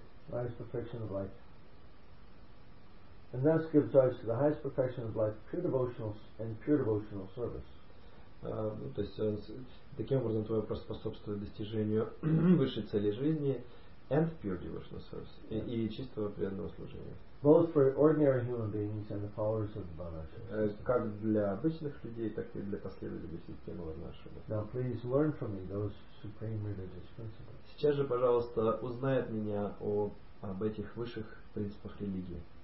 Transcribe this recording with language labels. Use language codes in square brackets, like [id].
[en] Highest perfection of life. And thus gives rise to the highest perfection of life, pure devotional service. [ru] То есть он, таким образом твой вопрос способствует достижению высшей цели жизни [en] and pure devotional service, [ru] и чистого преданного служения. [en] Both for ordinary human beings and the followers of the Vanashram. [ru] Как для обычных людей, так и для последователей системы Варнашрама. [en] Now please learn from me those supreme religious principles. [ru] Сейчас же, пожалуйста, узнай от меня об этих высших принципах религии.